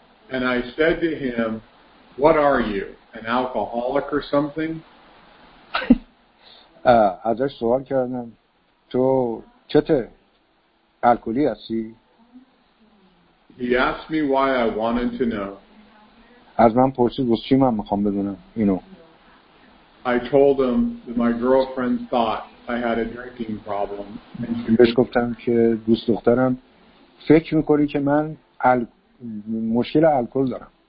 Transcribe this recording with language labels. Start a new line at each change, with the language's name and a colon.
English: And I said to him, what are you, an alcoholic or something?
Persian: ازش سوال کردم تو چته، الکلی هستی؟
English: He asked me why I wanted to know.
Persian: از من پرسید واسه چی من میخوام بدونم اینو.
English: I told him that my girlfriend thought I had a drinking problem.
Persian: بهش گفتم که دوست دخترم فکر میکنی که من مشکل الکل دارم.